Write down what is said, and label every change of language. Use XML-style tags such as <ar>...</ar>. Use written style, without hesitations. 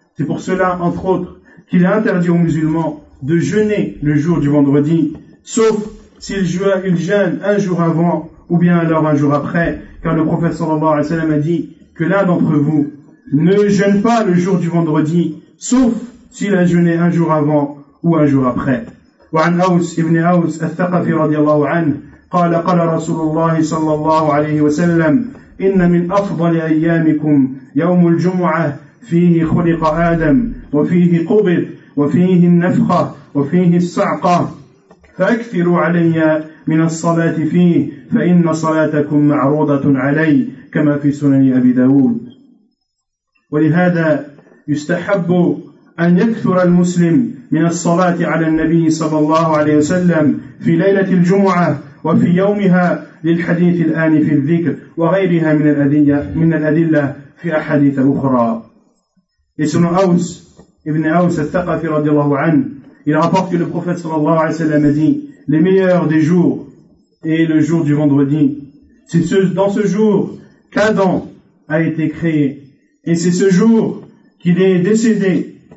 <fr>C'est pour cela, entre autres, qu'il est interdit aux musulmans de jeûner le jour du vendredi, sauf s'ils jeûnent un jour avant ou bien alors un jour après, car le prophète sallallahu alayhi wa sallam a dit que l'un d'entre vous ne jeûne pas le jour du vendredi, sauf s'il a jeûné un jour avant ou un jour après.</fr> <ar>وعن أوس ابن أوس الثقفي رضي الله عنه قال قال رسول الله صلى الله عليه وسلم إن من أفضل أيامكم يوم الجمعة فيه خلق آدم وفيه قبض وفيه النفخة وفيه الصعقة فأكثروا علي من الصلاة فيه فإن صلاتكم معروضة علي كما في سنن أبي داود. ولهذا يستحب أن يكثر المسلم من الصلاة على النبي صلى الله عليه وسلم في ليلة الجمعة وفي يومها للحديث الآن في الذكر وغيرها من الأدلة في أحاديث أخرى. اسم أوس ابن أوس الثقفي رضي الله عنه</ar> <fr>il rapporte que le prophète</fr> <ar>صلى الله عليه وسلم</ar> <fr>a dit les meilleurs des jours est le jour du vendredi. C'est dans ce jour qu'Adam a été créé, et c'est ce jour qu'il est décédé.</fr>